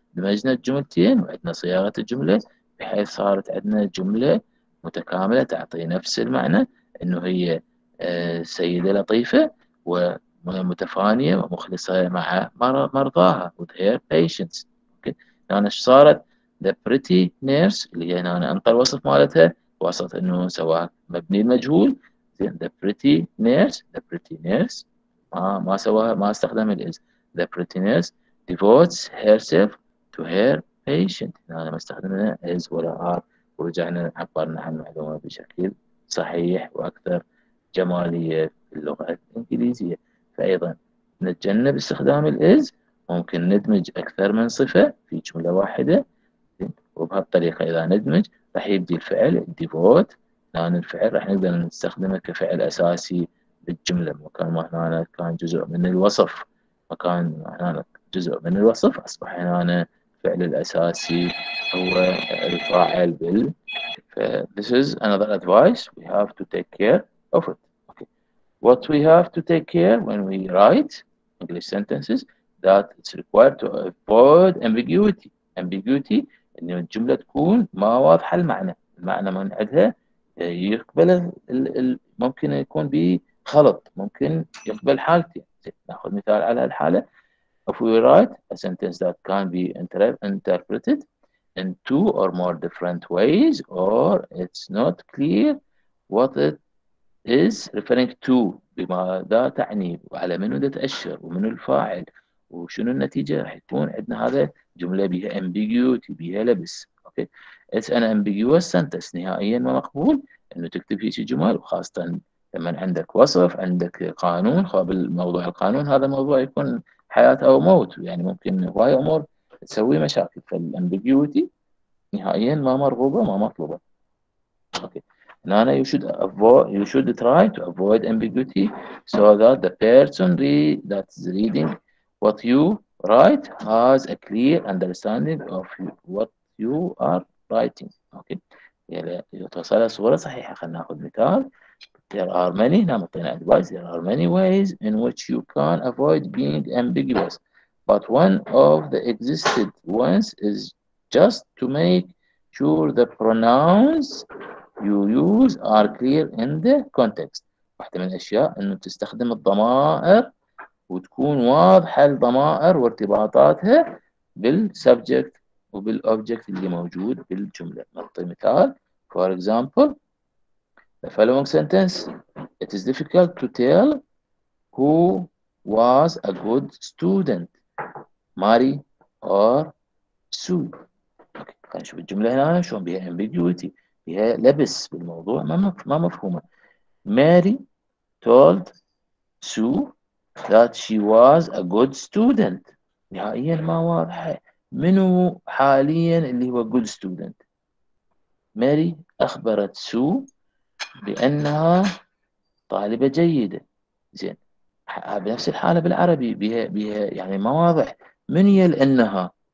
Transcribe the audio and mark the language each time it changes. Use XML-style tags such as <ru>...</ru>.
<ar>دمجنا الجملتين وعندنا صياغة الجملة بحيث صارت عندنا جملة متكاملة تعطي نفس المعنى، انه هي سيدة لطيفة ومتفانية ومخلصة مع مرضاها</ar> <en>with her patients.</en> <ar>اوكي، هنا ايش صارت؟</ar> <en>the pretty nurse</en> <ar>اللي هي هنا انطى الوصف مالتها، وصلت انه سواء مبني المجهول. زين،</ar> <en>the pretty nurse</en> <ar>ما استخدم ال is.</ar> <en>the pretty nurse devotes herself to her patient.</en> <ar>هنا ما استخدمنا is ولا are، ورجعنا عبرنا عن المعلومة بشكل صحيح وأكثر جمالية في اللغة الإنجليزية. فأيضا نتجنب استخدام الإز، ممكن ندمج أكثر من صفة في جملة واحدة، وبهالطريقة إذا ندمج راح يبدي الفعل ديفوت. لأن الفعل راح نقدر نستخدمه كفعل أساسي بالجملة، مكان ما هنا كان جزء من الوصف، مكان ما هنا جزء من الوصف أصبح هنا الفعل الأساسي هو الفاعل بال.</ar> <en>This is another advice we have to take care of it. Okay. What we have to take care when we write English sentences that it's required to avoid ambiguity.</en> <ar>Ambiguity إن الجملة تكون ما واضحة المعنى، المعنى من عندها يقبل ممكن يكون بخلط، ممكن يقبل حالتي. نأخذ مثال على الحالة.</ar> <en>If we write a sentence that can be interpreted in two or more different ways, or it's not clear what it is referring to,</en> <ar>بماذا تعني وعلى منو تتأشر ومنو الفاعل وشنو النتيجة، راح يكون عندنا هذا جملة بها ambiguity، بها لبس.</ar> <en>Okay. It's an ambiguous sentence.</en> <ar>نهائيا ما مقبول انه تكتب فيه شي جمل، وخاصة لما عندك وصف، عندك قانون. خب الموضوع القانون هذا موضوع يكون حياة أو موت، يعني ممكن هواي أمور تسوي مشاكل. فالامبيجيوتي نهائيا ما مرغوبه ما مطلوبه.</ar> <en>Okay هنا you should avoid you should try to avoid ambiguity so that the person that is reading what you write has a clear understanding of what you are writing.</en> <ar>اوكي يعني توصل صوره صحيحه. خلينا ناخذ مثال.</ar> <en>There are many,</en> <ar>نعم اعطينا</ar> <en>advice, there are many ways in which you can avoid being ambiguous. But one of the existed ones is just to make sure the pronouns you use are clear in the context.</en> <ar>واحدة من الأشياء أنه تستخدم الضمائر وتكون واضحة الضمائر وارتباطاتها بالسبجكت وبالأوبجكت اللي موجود بالجملة. نعطي مثال.</ar> <en>For example, the following sentence: It is difficult to tell who was a good student, Mary or Sue. Okay.</en> <ar>خلينا نشوف الجملة هنا شلون بها ambiguity، بها لبس بالموضوع ما مفهومة.</ar> <en>Mary told Sue that she was a good student.</en> <ar>نهائيا ما واضحة منو حاليا اللي هو</ar> <en>good student.</en> <ar>Mary أخبرت Sue بأنها طالبة جيدة. زين بنفس الحالة بالعربي بها يعني ما واضح من هي لأنها.</ar>